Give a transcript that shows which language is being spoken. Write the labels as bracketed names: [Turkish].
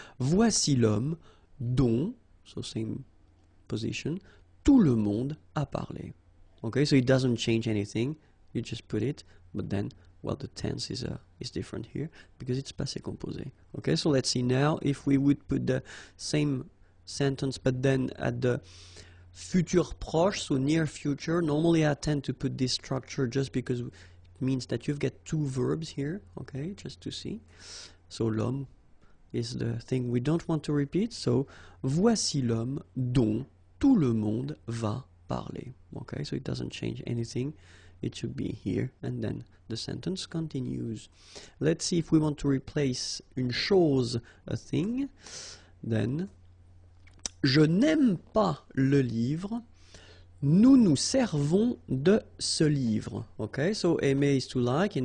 [French] Voici l'homme, dont, [English] so same position, [French] tout le monde a parlé. [English] Okay, so it doesn't change anything, you just put it, but then, well, the tense is different here, because it's passé composé. Okay, so let's see now, if we would put the same sentence, but then at the future proche, so near future. Normally I tend to put this structure just because it means that you've got two verbs here, okay, just to see. So l'homme is the thing we don't want to repeat. So [French] voici l'homme dont tout le monde va parler. [English] Okay, so it doesn't change anything. It should be here and then the sentence continues. Let's see if we want to replace une chose, a thing, then [French] je n'aime pas le livre. Nous nous servons de ce livre. [English] Okay, so aimer is to like.